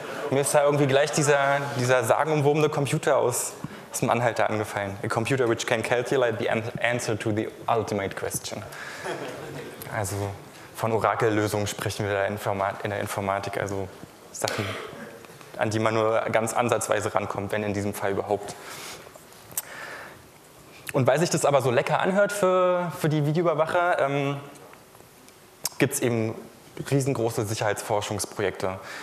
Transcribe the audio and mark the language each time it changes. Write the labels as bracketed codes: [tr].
[de] Mir ist da irgendwie gleich dieser sagenumwobene Computer aus dem Anhalter angefallen. [en] A computer which can calculate the answer to the ultimate question. [de] Also von Orakellösungen sprechen wir da in der Informatik, also Sachen, an die man nur ganz ansatzweise rankommt, wenn in diesem Fall überhaupt. Und weil sich das aber so lecker anhört für die Videoüberwacher, gibt es eben riesengroße Sicherheitsforschungsprojekte.